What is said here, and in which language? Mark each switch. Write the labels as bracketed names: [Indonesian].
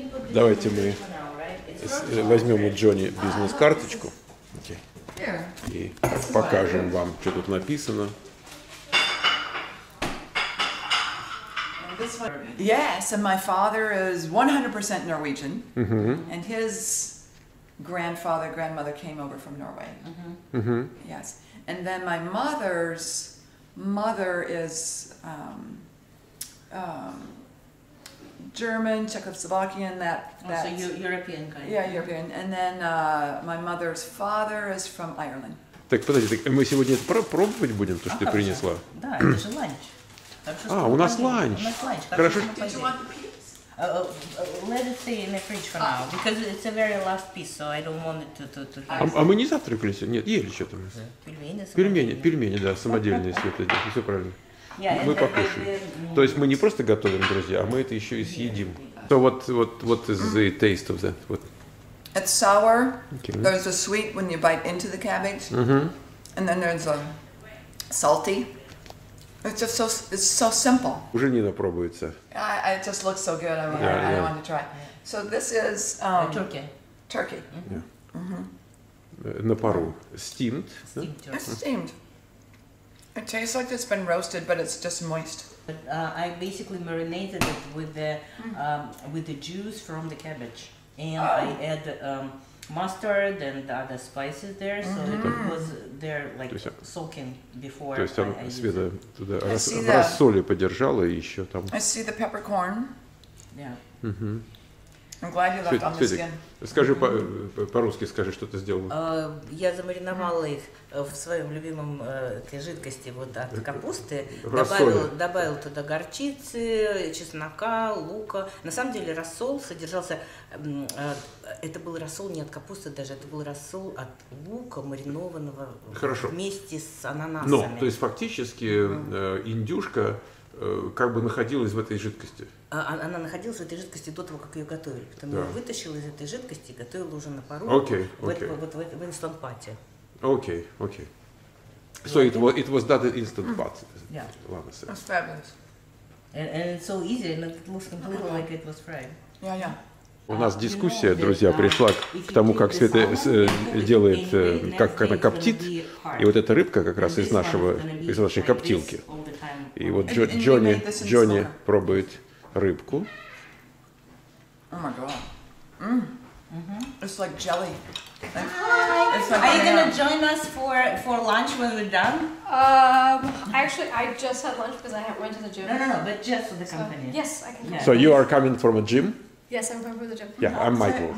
[Russian] Давайте мы возьмем у Джони бизнес-карточку и покажем вам, что тут написано. [English] Yes, and my father is 100% Norwegian, and his grandfather, grandmother came over from Norway. Yes, and then my mother's mother is. German, Czechoslovakian, that. So European kind. Yeah, European. And then my mother's father is from Ireland. [Russian] Так, подожди, так мы сегодня это пробовать будем, то, что ты принесла? Да, это же ланч. У нас ланч. У нас ланч. Хорошо. [English] Did you want the piece? Let it stay in the fridge for now, because it's the very last piece, so I don't want it to [Russian] А мы не завтра принесем? Нет, ели что-то. Пельмени. Пельмени, да, самодельные светлые. Это все правильно. Мы покушаем. То есть мы не просто готовим, друзья, а мы это еще и съедим. [English] So what is the taste of that? What? It's sour. Okay. There's a sweet when you bite into the cabbage. Mm-hmm. And then there's a salty. It's just so simple. [Russian] Уже Нина пробуется. [English] It just looks so good. I want to try. So this is turkey. [Russian] Mm-hmm. На пару. [English] Steamed. It's steamed. It tastes like it's been roasted, but it's just moist. But I basically marinated it with the juice from the cabbage. And I add mustard and the other spices there, so it was there like soaking before. То есть там Света туда рассоли подержала и еще там. I see the peppercorn. Yeah. I'm glad you left on the skin. [Russian] Скажи по-русски, скажи, что ты сделала. Я замариновала их в своем любимом этой жидкости вот от капусты. Добавила туда горчицы, чеснока, лука. На самом деле рассол содержался... это был рассол не от капусты даже, это был рассол от лука маринованного вместе с ананасами. Но, то есть фактически индюшка как бы находилась в этой жидкости. Она находилась в этой жидкости до того, как ее готовили. Потом ее вытащила из этой жидкости и готовила уже на пару. В инстант-пате. [English] Окей. So it was that instant pot. [Russian] Ладно, [English] sir. That's fabulous. And it's so easy, and it looks completely like it was fried. [Russian] У нас дискуссия, друзья, пришла к тому, как Света делает, как она коптит. И вот эта рыбка как раз из нашей коптилки. И вот Джони пробует рыбку. О, мой бог. [English] It's like jelly. Are you gonna join us for lunch when we're done? Actually, I just had lunch because I went to the gym. No, but just for the company. Yes, I can. Yeah. So you are coming from a gym? Yes, I'm coming from the gym. Yeah, I'm Michael.